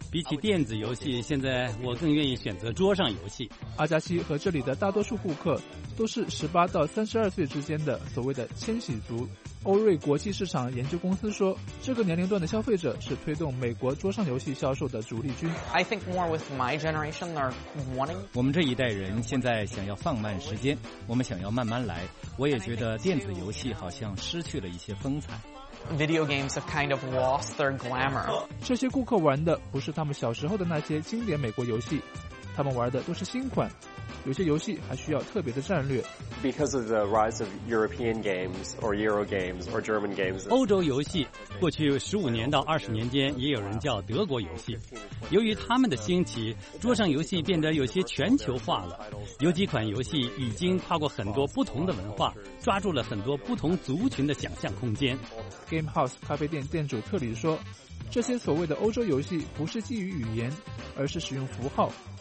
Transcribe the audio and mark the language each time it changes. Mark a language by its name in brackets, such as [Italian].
[Chinese] 比起电子游戏，现在我更愿意选择桌上游戏。阿加西和这里的大多数顾客都是18到32岁之间的所谓的千禧族。欧瑞国际市场研究公司说，这个年龄段的消费者是推动美国桌上游戏销售的主力军。 [English] I think more with my generation are wanting. [Chinese] 我们这一代人现在想要放慢时间，我们想要慢慢来。我也觉得电子游戏好像失去了一些风采。 [English] Video games have kind of lost their glamour. [Chinese] 这些顾客玩的不是他们小时候的那些经典美国游戏，他们玩的都是新款。有些游戏还需要特别的战略。 [English] Because of the rise of European games or Euro games or German games. [Chinese] 欧洲游戏过去15年到20年间也有人叫德国游戏。由于他们的兴起，桌上游戏变得有些全球化了。有几款游戏已经跨过很多不同的文化，抓住了很多不同族群的想象空间。 Game House 咖啡店店主特里说，这些所谓的欧洲游戏不是基于语言，而是使用符号。